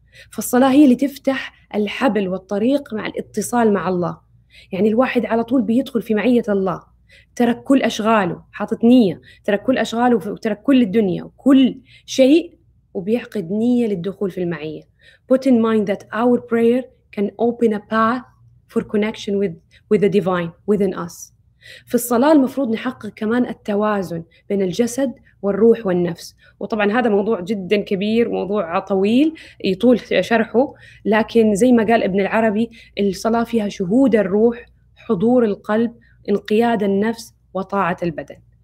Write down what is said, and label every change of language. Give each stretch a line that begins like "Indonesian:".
Arabic: فالصلاة هي اللي تفتح الحبل والطريق مع الاتصال مع الله. يعني الواحد على طول بيدخل في معية الله، ترك كل أشغاله، حاطط نية، ترك كل أشغاله وترك كل الدنيا وكل شيء، وبيعقد نية للدخول في المعية.
English: Put in mind that our prayer can open a path for connection with the divine within us.
Arabic: في الصلاة المفروض نحقق كمان التوازن بين الجسد والروح والنفس، وطبعا هذا موضوع جدا كبير، موضوع طويل يطول شرحه، لكن زي ما قال ابن العربي، الصلاة فيها شهود الروح، حضور القلب، انقياد النفس، وطاعة البدن.